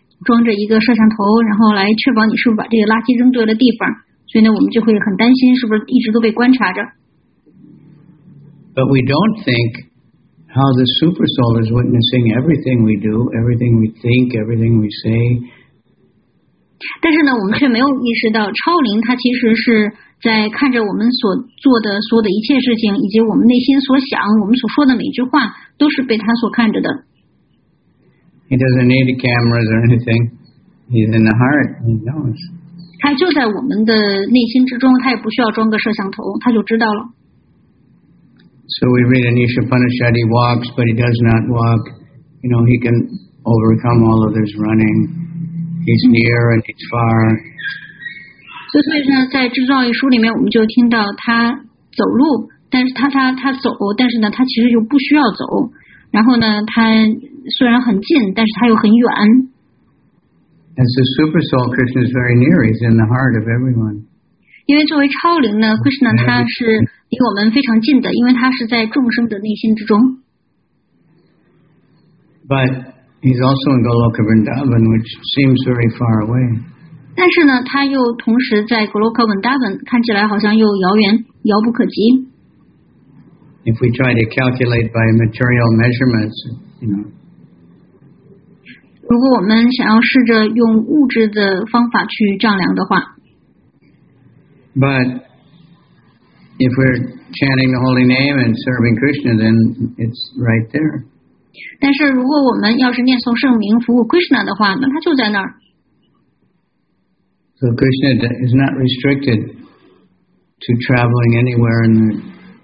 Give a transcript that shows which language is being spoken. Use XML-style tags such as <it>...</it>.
<zh>装着一个摄像头，然后来确保你是不是把这个垃圾扔对了地方，所以呢我们就会很担心是不是一直都被观察着。</zh> <en>But we don't think how the super soul is witnessing everything we do, everything we think, everything we say.</en> <zh>但是呢我们却没有意识到超灵它其实是在看着我们所做的所有的一切事情，以及我们内心所想我们所说的每句话都是被它所看着的。</zh> <en>He doesn't need cameras or anything. He's in the heart. He knows.</en> <zh>他就在我们的内心之中，他也不需要装个摄像头，他就知道了。</zh> <en>So we read Anisha Panishad, he walks, but he does not walk. You know, he can overcome all of his running. He's near and he's far.</en> <zh>所以呢，在《智藏》一书里面，我们就听到他走路，但是他走，但是呢，他其实就不需要走。然后呢，他虽然很近，但是他又很远。</zh> <en>As the super soul, Krishna is very near. He's in the heart of everyone.</en> <zh>因为作为超灵呢 ，Krishna 他是离我们非常近的，因为他是在众生的内心之中。</zh> <en>But he's also in Goloka Vrindavan, which seems very far away.</en> <zh>但是呢，他又同时在 Goloka Vrindavan， 看起来好像又遥远，遥不可及。</zh> <en>If we try to calculate by material measurements, you know.</en> <zh>如果我们想要试着用物质的方法去丈量的话</zh> <en>，But if we're chanting the holy name and serving Krishna, then it's right there.</en> <zh>但是如果我们要是念诵圣名服务 Krishna 的话，那他就在那儿。</zh> <en>So Krishna is not restricted to traveling anywhere in the.</en>